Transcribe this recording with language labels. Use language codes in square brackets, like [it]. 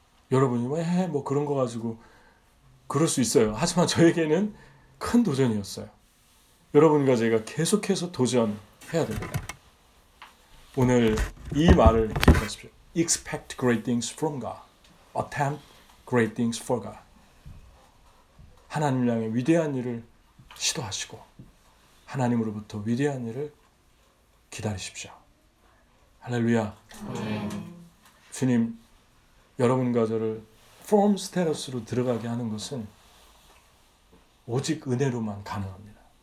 [ko] 여러분이 왜 뭐 그런 거 가지고 그럴 수 있어요. 하지만 저에게는 큰 도전이었어요. 여러분과 제가 계속해서 도전해야 됩니다. 오늘 이 말을 기억하십시오. [en] Expect great things from God. Attempt great things for God. [ko] 하나님을 향해 위대한 일을 시도하시고 하나님으로부터 위대한 일을 기다리십시오. 할렐루야. 주님, 여러분과 저를 from status로 들어가게 하는 것은 오직 은혜로만 가능합니다.